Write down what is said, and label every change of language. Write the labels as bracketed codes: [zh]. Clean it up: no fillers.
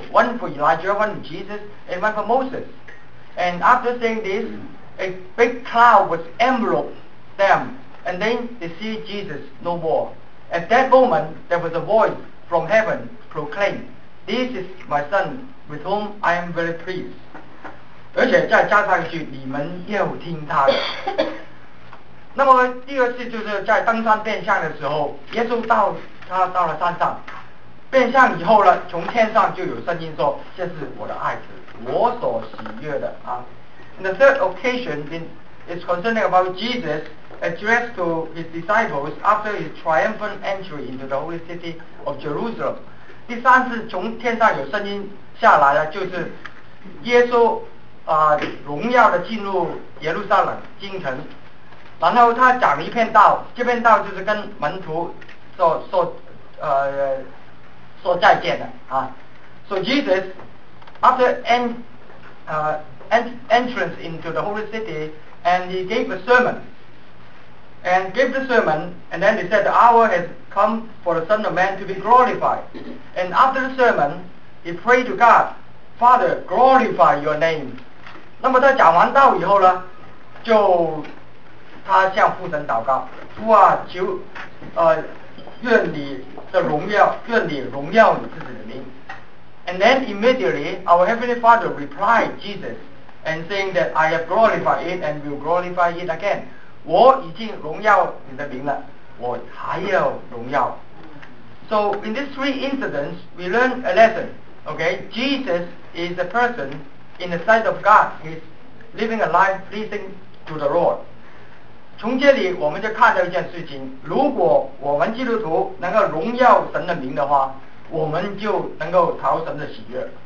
[en] One for Elijah, one for Jesus, and one for Moses. And after saying this, a big cloud was enveloped them. And then they see Jesus no more. At that moment, there was a voice from heaven proclaimed, This is my son, with whom I am very pleased. [zh] 而且再加上一句，你们要听他的。那么第二次就是在登山变相的时候，耶稣到了山上。变相以后呢，从天上就有声音说，这是我的爱子，我所喜悦的啊。 [en] And the third occasion is concerning about Jesus addressed to his disciples after his triumphant entry into the holy city of Jerusalem. [zh] 第三次从天上有声音下来了，就是耶稣荣耀的进入耶路撒冷京城，然后他讲了一篇道，这篇道就是跟门徒说再见的啊。 [en] So Jesus, after entrance into the holy city, and he gave a sermon, and gave the sermon, and then he said, the hour has come for the Son of Man to be glorified. And after the sermon, he prayed to God, Father, glorify your name. [zh] 那么他讲完道以后呢，就他向父神祷告，父啊，求愿你的荣耀，愿你荣耀你自己的名。 [en] And then immediately our heavenly Father replied Jesus and saying that I have glorified it and will glorify it again. [zh] 我已经荣耀你的名了，我还要荣耀。 [en] So in these three incidents, we learn a lesson. Okay, Jesus is a person. In the sight of God, he's living a life pleasing to the Lord. [zh] 从这里我们就看到一件事情，如果我们基督徒能够荣耀神的名的话，我们就能够讨神的喜悦。